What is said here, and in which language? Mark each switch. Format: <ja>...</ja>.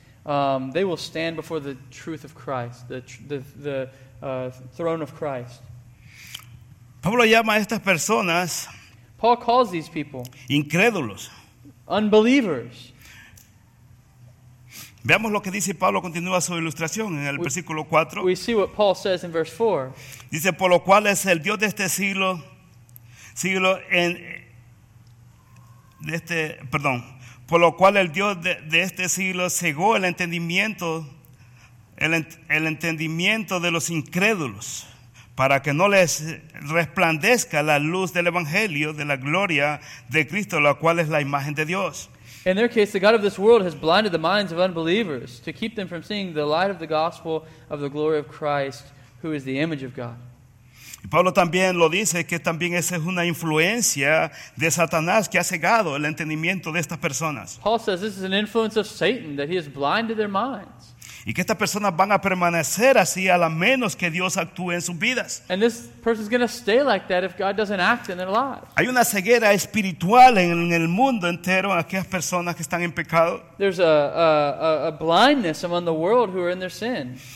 <en>They will stand before the truth of Christ, the throne of Christ.</en> <es>Pablo llama a estas personas.</es> <en>Paul calls these people</en> <es>incrédulos,</es> <en>unbelievers.</en> <es>Veamos lo que dice Pablo, continúa su ilustración en el versículo 4.</es> <en>We see what Paul says in verse 4.</en> <es>Dice, por lo cual es el Dios de este siglo en de este, perdón. Por lo cual el Dios de este siglo cegó el entendimiento de los incrédulos para que no les resplandezca la luz del Evangelio de la gloria de Cristo, la cual es la imagen de Dios.</es> <en>In their case, the God of this world has blinded the minds of unbelievers to keep them from seeing the light of the gospel of the glory of Christ, who is the image of God.</en> <es>Y Pablo también lo dice, que también esa es una influencia de Satanás que ha cegado el entendimiento de estas personas.</es> <en>Paul says this is an influence of Satan, that he has blinded their minds.</en> <es>Y que estas personas van a permanecer así a la menos que Dios actúe en sus vidas.</es> <en>And this person is going to stay like that if God doesn't act in their lives.</en> <es>Hay una ceguera espiritual en el mundo entero en aquellas personas que están en pecado.</es> <en>There's a blindness among the world who are in their sin.</en>